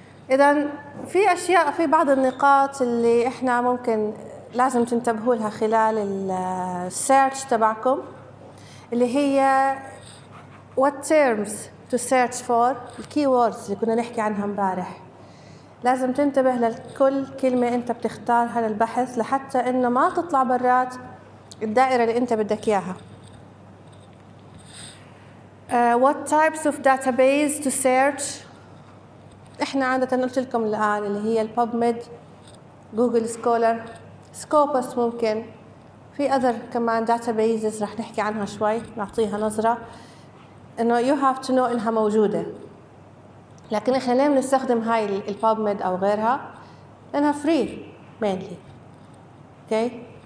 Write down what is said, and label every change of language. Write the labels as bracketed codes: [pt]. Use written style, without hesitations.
[ar] إذا في أشياء، في بعض النقاط اللي إحنا ممكن لازم تنتبهوا لها خلال السيرش تبعكم، اللي هي [en] what terms to search for، [ar] الكيوردز اللي كنا نحكي عنها امبارح. لازم تنتبه لكل كلمة انت بتختارها للبحث لحتى انه ما تطلع برات الدائرة اللي انت بدك اياها. [en] What types of database to search. [ar] احنا عادة قلت لكم الان اللي هي PubMed، جوجل سكولر، سكوبس، ممكن في اذر كمان داتابيزز رح نحكي عنها شوي نعطيها نظره انه [en] you have to know [ar] انها موجوده. لكن احنا ليه بنستخدم هاي الباب ميد او غيرها؟ لانها فري مينلي، اوكي.